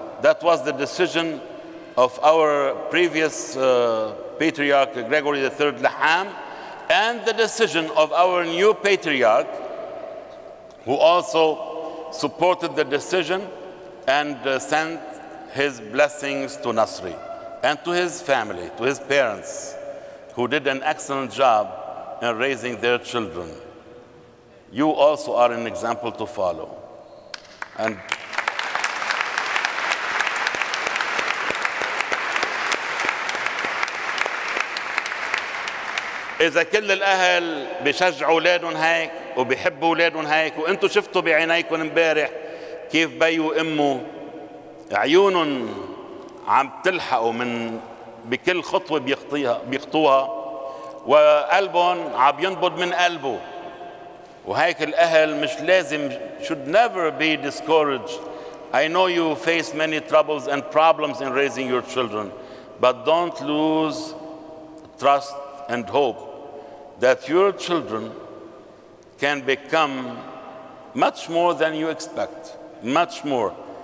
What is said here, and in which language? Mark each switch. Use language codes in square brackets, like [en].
[en] That was the decision of our previous Patriarch Gregory III Laham, and the decision of our new Patriarch, who also supported the decision and sent his blessings to Nasri and to his family, to his parents, who did an excellent job in raising their children. You also are an example to follow. [ar] And إذا كل الأهل بيشجعوا أولادهم هيك وبيحبوا أولادهم هيك وأنتوا شفتوا بعينيكم امبارح كيف بي وأمه عيونهم عم تلحقوا من بكل خطوة بيخطوها وقلبهم عم ينبض من قلبه وهيك الأهل مش لازم [en] should never be discouraged. I know you face many troubles and problems in raising your children, but don't lose trust and hope that your children can become much more than you expect, much more.